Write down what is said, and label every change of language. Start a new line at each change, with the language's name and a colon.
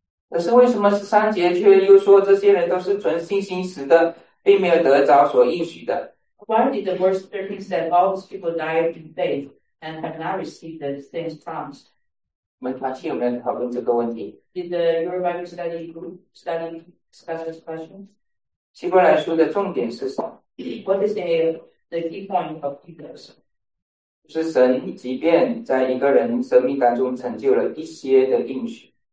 Chinese: 可是为什么十三节却又说这些人都是存信心死的，并没有得着所应许的？
English: Why did the verse 13 say all these people died in faith and have not received the things promised?
Chinese: 我们团契有没有讨论这个问题？
English: Did the Your Bible study group study discuss this question?
Chinese: 希伯来书的重点是什么？
English: What is the key point of Hebrews?
Chinese: 是神即便在一个人生命当中成就了一些的应许。